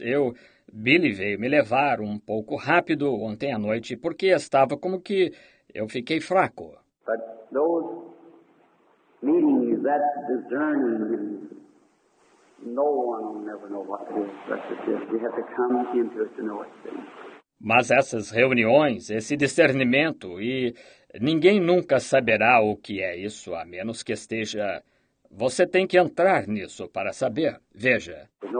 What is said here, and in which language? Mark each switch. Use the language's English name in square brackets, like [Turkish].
[Portuguese] Eu, Billy, veio me levar um pouco rápido ontem à noite porque estava como que eu fiquei fraco. [English] But those meetings, that discerning, no one will never know what it is. You have to come into it to know it. [Portuguese] Mas essas reuniões, esse discernimento, e ninguém nunca saberá o que é isso, a menos que esteja... Você tem que entrar nisso para saber. Veja.